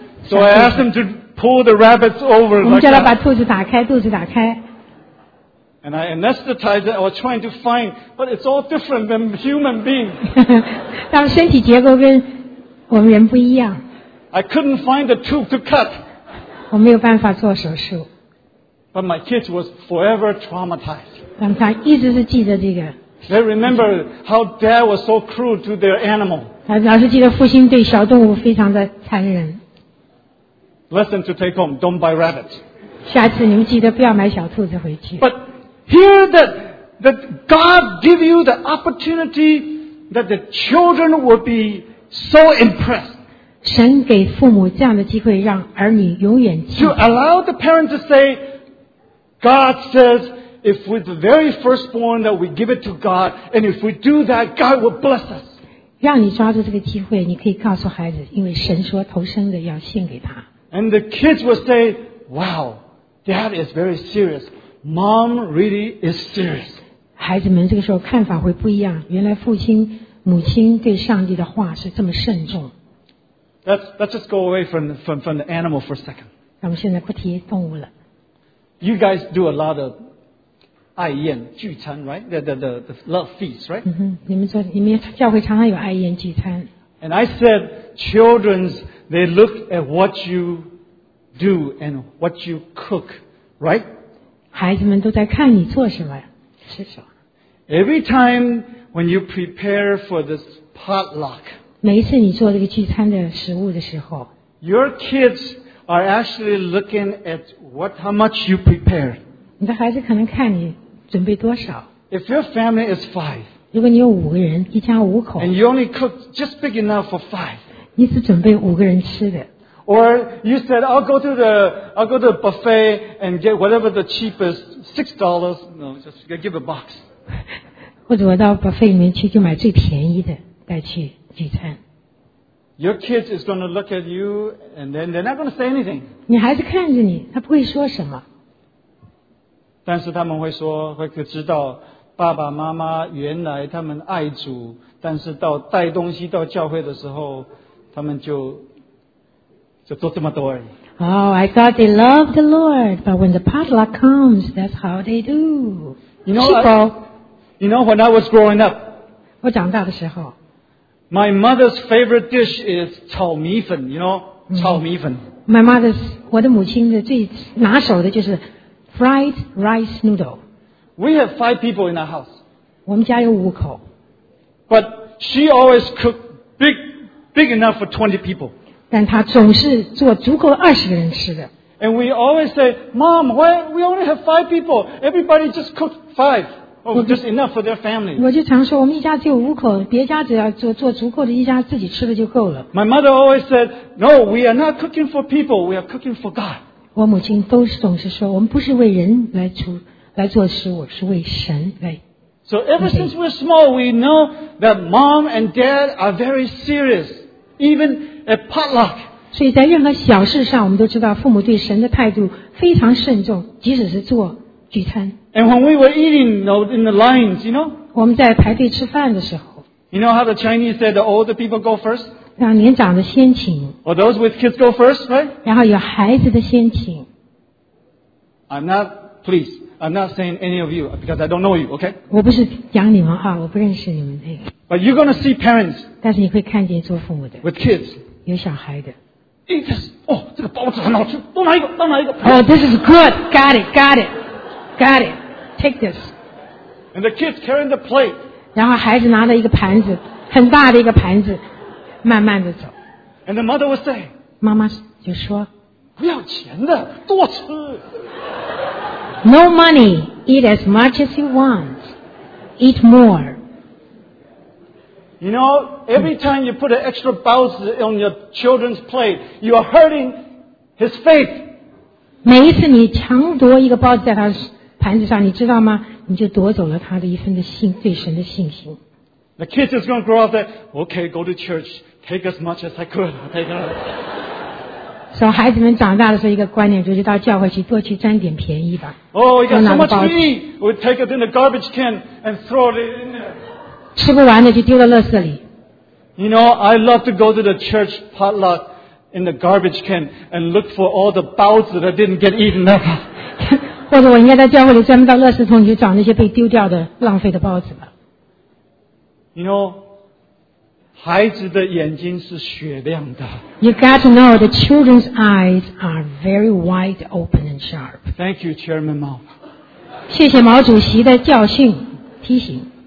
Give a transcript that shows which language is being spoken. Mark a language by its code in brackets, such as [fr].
[en] So I asked him to pull the rabbits over. [zh] 我们叫他把兔子打开，肚子打开。 [en] And I anesthetized it, I was trying to find, but it's all different than human beings. [zh] 但身体结构跟我们人不一样。 [en] I couldn't find the tube to cut. [zh] 我没有办法做手术。 [en] But my kids was forever traumatized. [zh] 但他一直是记得这个。 [en] They remember how dad was so cruel to their animal. [zh] 他老是记得父亲对小动物非常的残忍。 [en] Lesson to take home, don't buy rabbits. [zh] 下次你们记得不要买小兔子回去。 [en] But hear that God give you the opportunity that the children will be so impressed. [zh] 神给父母这样的机会，让儿女永远记住。 [en] To allow the parents to say, God says, if we're the very firstborn, that we give it to God, and if we do that, God will bless us. [zh] 让你抓住这个机会，你可以告诉孩子，因为神说头生的要献给他。 [en] And the kids will say, Wow, Dad is very serious. Mom really is serious. [zh] 孩子们这个时候看法会不一样，原来父亲、母亲对上帝的话是这么慎重。 [en] Let's just go away from the animal for a second. [zh] 我们现在不提动物了。 [en] You guys do a lot of [zh] 爱宴聚餐 [en] right? The love feast, right? [zh] 你们说你们教会常常有爱宴聚餐。 [en] And I said, children, they look at what you do and what you cook, right? [zh] 孩子们都在看你做什么，吃什么。 [en] Every time when you prepare for this potluck, [zh] 每一次你做这个聚餐的食物的时候， [en] your kids are actually looking at what, how much you prepare. [zh] 你的孩子可能看你准备多少。 [en] If your family is five, [zh] 如果你有五个人，一家五口， [en] and you only cook just big enough for five, [zh] 你只准备五个人吃的。 [en] Or you said, I'll go to the buffet and get whatever the cheapest, $6, no, just give a box. [zh] 或者我到 buffet 里面去就买最便宜的带去聚餐。 [en] Your kids is going to look at you and then they're not going to say anything. [zh] 你孩子看着你，他不会说什么。但是他们会说，会知道爸爸妈妈原来他们爱主，但是到带东西到教会的时候，他们就做这么多而已。 [en] Oh, I thought they love the Lord, but when the potluck comes, that's how they do. You know, when I was growing up, [zh] 我长大的时候， [en] my mother's favorite dish is 炒米粉 you know,、mm-hmm. [zh] 炒米粉。 [en] My mother's, [zh] 我的母亲的最拿手的就是 [en] fried rice noodle. We have five people in our house. [zh] 我们家有五口。 [en] But she always cooked big enough for 20 people. [zh] 但他总是做足够二十个人吃的。 [en] And we always say, Mom, why we only have five people? Everybody just cooked five, or just enough for their family. [zh] 我就常说，我们一家只有五口，别家只要做足够的，一家自己吃的就够了。 [en] My mother always said, No, we are not cooking for people. We are cooking for God. [zh] 我母亲都总是说，我们不是为人来做食物，是为神来。 [en] So ever since we're small, we know that Mom and Dad are very serious, even. A potluck. [zh] 所以在任何小事上，我们都知道父母对神的态度非常慎重，即使是做聚餐。 [en] And when we were eating in the lines, you know, [zh] 我们在排队吃饭的时候， [en] you know how the Chinese said the older people go first? [zh] 让年长的先请。 [en] Or those with kids go first, right? [zh] 然后有孩子的先请。 [en] I'm not saying any of you because I don't know you, okay? [zh] 我不是讲你们哈，我不认识你们那个。 [en] But you're going to see parents. [zh] 但是你会看见做父母的。 [en] With kids. [zh] 有小孩的。哦，这个包子很好吃，多拿一个，多拿一个。 [en] Oh, this is good. Got it. Take this. And the kids carrying the plate. [zh] 然后孩子拿着一个盘子，很大的一个盘子，慢慢的走。 [en] And the mother would say, [zh] 妈妈就说，不要钱的，多吃。 [en] No money. Eat as much as you want. Eat more. You know, every time you put an extra bowl on your children's plate, you are hurting his faith. [zh] 每一次你强夺一个包子在他盘子上，你知道吗？你就夺走了他的一份的信，对神的信心。 [en] The kids is going to grow up that, okay, go to church, take as much as I could, take it. [zh] So 孩子们长大的时候，一个观念就是到教会去多去沾点便宜吧。 [en] Oh, we got so much meat, we take it in the garbage can and throw it in there. [zh] 吃不完的就丢到垃圾里。 [en] You know, I love to go to the church potluck in the garbage can and look for all the 包子 that didn't get eaten up. [zh] 或者我应该在教会里专门到垃圾桶去找那些被丢掉的浪费的包子吧。 [en] You know, [zh] 孩子的眼睛是雪亮的。 [en] You got to know the children's eyes are very wide open and sharp. Thank you, Chairman Mao. [zh] 谢谢毛主席的教训提醒。